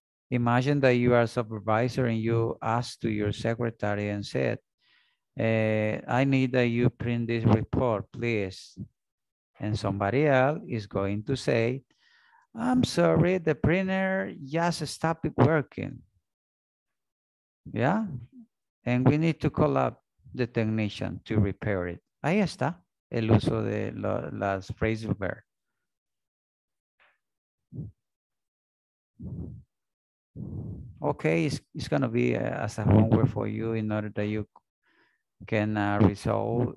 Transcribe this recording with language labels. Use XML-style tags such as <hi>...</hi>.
<en>Imagine that you are a supervisor and you ask to your secretary and said, I need that you print this report, please. And somebody else is going to say, I'm sorry, the printer just stopped working. Yeah? And we need to call up the technician to repair it.</en> <es>Ahí está el uso de las phrasal verbs.</es> <en>Okay, it's going to be as a homework for you in order that you can resolve.</en>